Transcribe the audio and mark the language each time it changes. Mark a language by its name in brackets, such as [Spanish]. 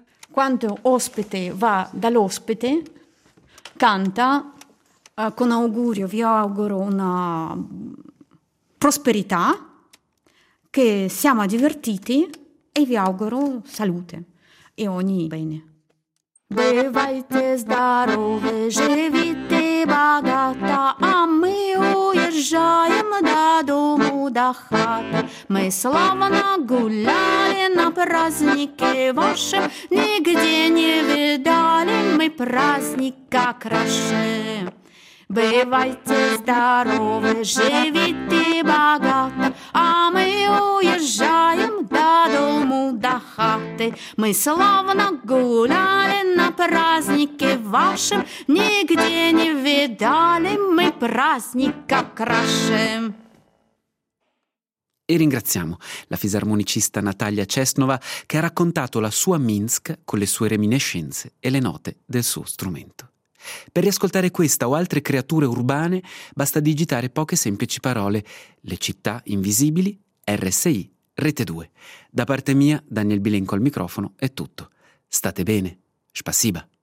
[Italian] Quando ospite va dall'ospite, canta con augurio, vi auguro una prosperità, che siamo divertiti e vi auguro salute e ogni bene. [Russian] Бывайте здоровы, живите богато, а мы уезжаем до дому, до хаты. Мы славно гуляли на празднике вашем, нигде не видали мы праздника краше. Бывайте здоровы, живите богато, а мы уезжаем до дому, до хаты. Мы славно гуляли на празднике вашем, нигде не видали мы праздника краше. [Italian] E ringraziamo la fisarmonicista Natalia Cesnova, che ha raccontato la sua Minsk con le sue reminiscenze e le note del suo strumento. Per riascoltare questa o altre creature urbane basta digitare poche semplici parole: le città invisibili, RSI, Rete 2. Da parte mia, Daniel Bilenco al microfono, è tutto. State bene. Spasiba.